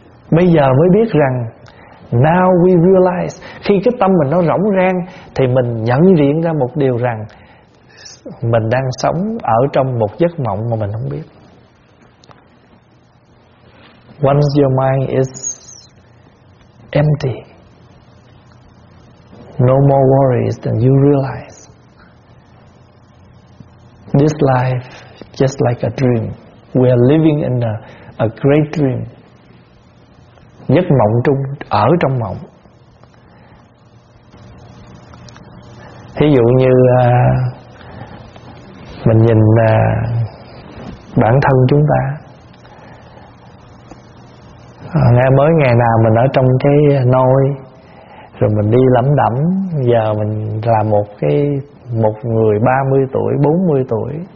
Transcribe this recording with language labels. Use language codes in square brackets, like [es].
[vi] Bây giờ mới biết rằng, [en] now we realize, [vi] khi cái tâm mình nó rỗng rang thì mình nhận diện ra một điều rằng mình đang sống ở trong một giấc mộng mà mình không biết. [en] Once your mind is empty, no more worries, then you realize this life just like a dream. We are living in a great dream. [vi] Giấc mộng trung, ở trong mộng. Ví dụ như mình nhìn bản thân chúng ta, ngày mới ngày nào mình ở trong cái nôi, rồi mình đi lẩm đẩm, giờ mình là một người 30 tuổi, 40 tuổi.